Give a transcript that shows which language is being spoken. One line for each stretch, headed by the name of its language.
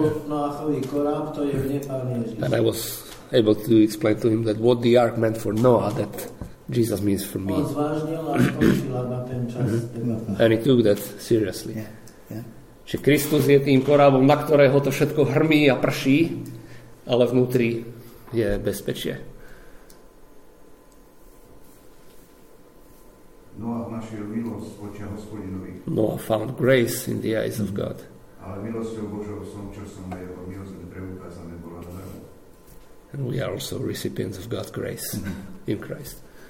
English: And I was able to explain to him that what the ark meant for Noah, that Jesus means for me. And he took that seriously.
Slovak: Že Kristus je tým korábom, na ktorého to všetko hrmí a prší, ale vnútri je bezpečie. Noah našiel milosť v očiach Hospodinovi.
English: Noah found grace in the eyes of God.
Slovak: Ale milosťou Božou som, čo som na jeho milosť preukázané bola na zemi.
English: And we are also recipients of God's grace in Christ.